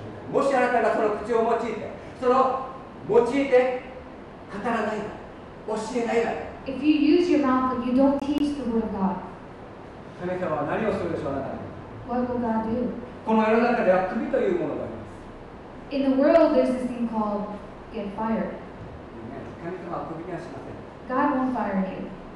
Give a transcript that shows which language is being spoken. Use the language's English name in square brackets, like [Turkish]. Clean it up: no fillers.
[Japanese] もしあなたがその口を用いて、その用いて語らないなら、教えないなら。 [English] If you use your mouth but you don't teach the word of God. [Japanese] 神様は何をするでしょうあなたに。 [English] What will God do? [Japanese] この世の中では首というものが [English] In the world, there's this thing called get fired. God won't fire you.